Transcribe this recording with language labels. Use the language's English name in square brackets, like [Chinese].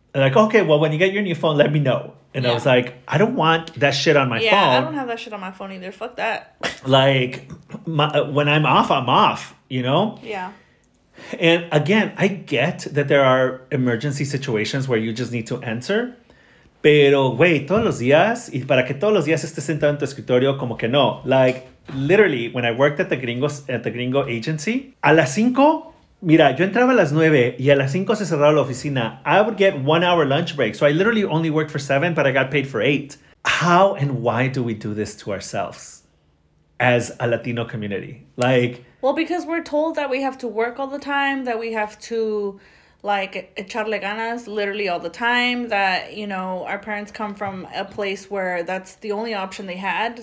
[English] And like, okay, well, when you get your new phone, let me know. And yeah. I was like, I don't want that shit on my phone. Yeah, I don't have that shit on my phone either. Fuck that. Like, when I'm off, you know? Yeah. And again, I get that there are emergency situations where you just need to answer. [Spanish] Pero, güey, todos los días, y para que todos los días estés sentado en tu escritorio, como que no. [English] Like, literally, when I worked at the gringo agency, a las 5... [Spanish] Mira, yo entraba a las 9 y a las 5 se cerraba la oficina. [English] I would get 1 hour lunch break. So I literally only worked for 7, but I got paid for 8. How and why do we do this to ourselves as a Latino community? Like, well, because we're told that we have to work all the time, that we have to, like, echarle ganas literally all the time, that, you know, our parents come from a place where that's the only option they had.